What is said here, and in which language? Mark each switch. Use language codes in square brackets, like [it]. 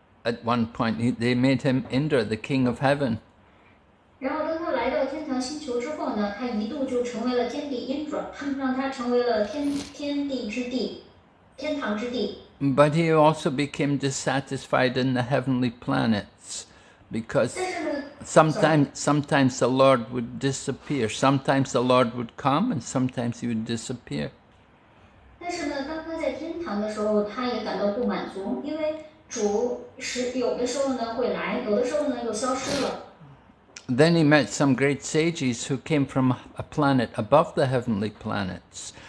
[en] At one point, they made him Indra, the king of heaven. [zh] 然后当他来到天堂星球之后呢，他一度就成为了天帝Indra，他们让他成为了天地之地，天堂之地。 [en] But he also became dissatisfied in the heavenly planets, because sometimes the Lord would disappear. Sometimes the Lord would come and sometimes he would disappear. Then he met some great sages who came from a planet above the heavenly planets.